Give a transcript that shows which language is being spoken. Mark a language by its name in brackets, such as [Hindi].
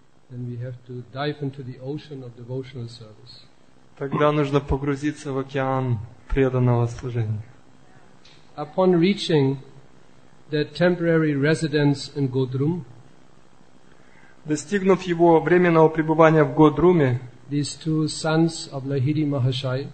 [English] Then we have to dive into the ocean of devotional service. [Russian] Тогда нужно погрузиться в океан преданного служения. [English] Upon reaching the temporary residence in Godrum, [Russian] достигнув его временного пребывания в Годруме, [English] these two sons of Lahiri Mahashaya,